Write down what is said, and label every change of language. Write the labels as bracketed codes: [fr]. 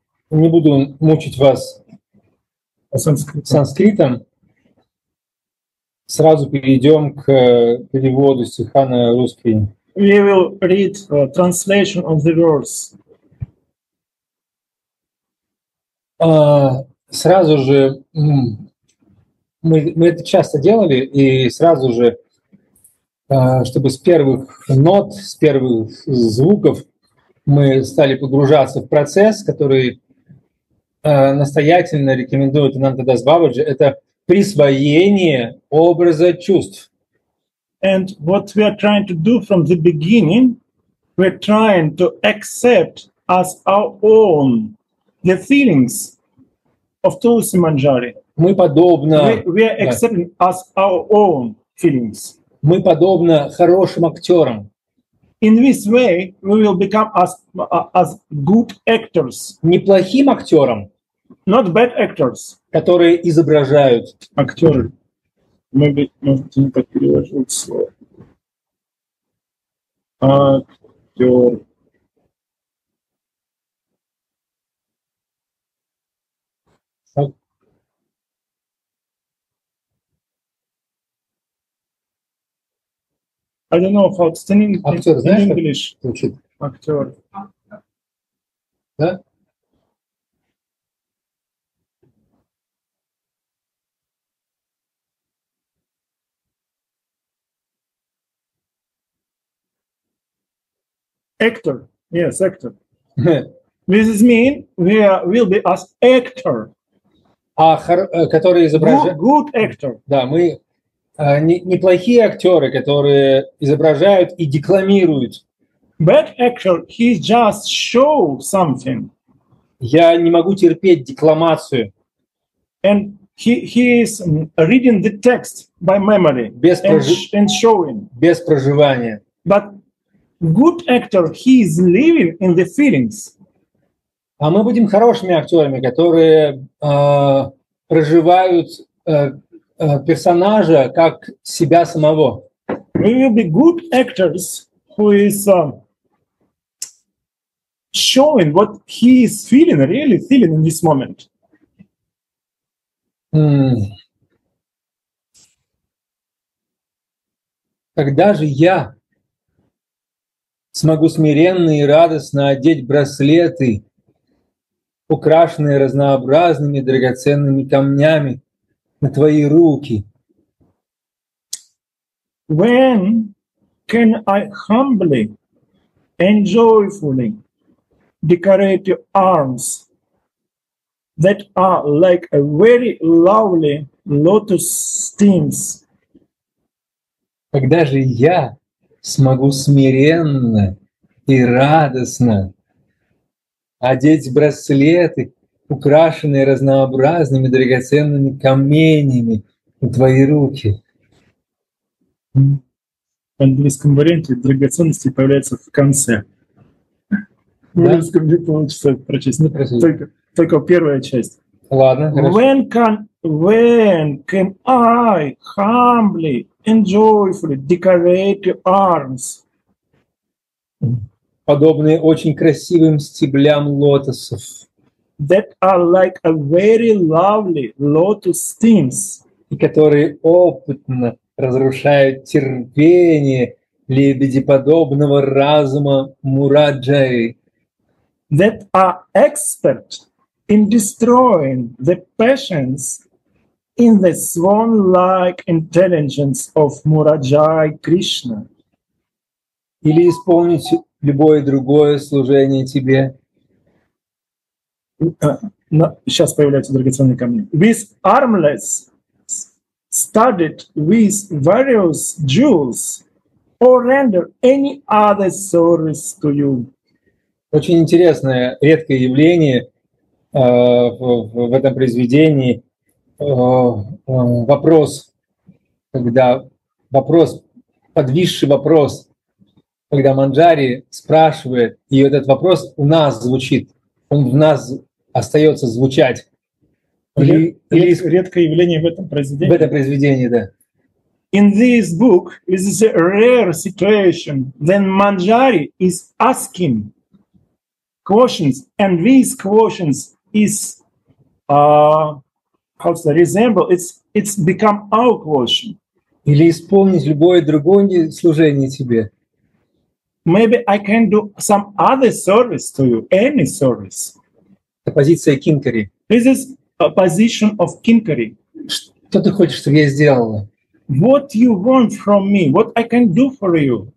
[ru] Не буду мучить вас санскритом. Сразу перейдем к переводу стиха на русский. [en] We will read a translation of the verse. [ru] Сразу же мы это часто делали, и сразу же, чтобы с первых нот, с первых звуков мы стали погружаться в процесс, который настоятельно рекомендует Ананта Дас Бабаджи, это присвоение образа чувств. [en] And what we are trying to do from the beginning, we're trying to accept as our own the feelings of Tulsi Manjari. [ru] Мы подобно... [en] We are accepting as our own feelings. [ru] Мы подобно хорошим актерам. [en] In this way, we will become as good actors. [ru] Неплохим актерам. [en] Not bad actors. [ru] Которые изображают актеры. Может, не так переложил слово. Актер. [en] I don't know how it's in English. [ru] Актер, знаешь, как звучит? Актер. Да? [en] Actor, yes, actor. This is mean we will be as actor. [ru] Который изображает. [en] Good actor. [ru] Да, мы неплохие актеры, которые изображают и декламируют. [en] Bad actor, he just show something. [ru] Я не могу терпеть декламацию. [en] And he is reading the text by memory. [ru] Без [en] and showing. [ru] Без проживания. [en] But good actor, he is living in the feelings. [ru] А мы будем хорошими актерами, которые проживают персонажа как себя самого. [en] We will be good actors who is showing what he is feeling, really feeling in this moment. [ru] Когда же я смогу смиренно и радостно одеть браслеты, украшенные разнообразными драгоценными камнями, на твои руки. [en] When can I humbly and joyfully decorate your arms that are like a very lovely lotus stems? [ru] Когда же я смогу смиренно и радостно одеть браслеты, украшенные разнообразными драгоценными каменями, в твои руки? В английском варианте драгоценности появляются в конце. Да? В русском не получится прочесть. Ну, только первая часть. Ладно, хорошо. [en] When can I humbly and joyfully decorate your arms? [ru] Подобные очень красивым стеблям лотосов. [en] That are like a very lovely lotus stems. [ru] И которые опытно разрушают терпение лебедеподобного разума Мураджаи. [en] That are expert in destroying the passions in the swan-like intelligence of Мураджаи Кришна. [ru] Или исполнить любое другое служение тебе. Сейчас появляются драгоценные камни. [en] With armless studded with various jewels or render any other service to you. [ru] Очень интересное, редкое явление в этом произведении. Вопрос, когда вопрос, подвисший вопрос, когда Манджари спрашивает, и этот вопрос у нас звучит, он в нас остается звучать. Или редкое явление в этом произведении. В этом произведении, да. [en] In this book is a rare situation when Manjari is asking questions, and these questions is how to resemble it's become our question. [ru] Или исполнить любое другое служение тебе. [en] Maybe I can do some other service to you, any service. [ru] Это позиция Кинкари. [en] This is a position of kinkari. [ru] Что ты хочешь, чтобы я сделала? [en] What you want from me? What I can do for you?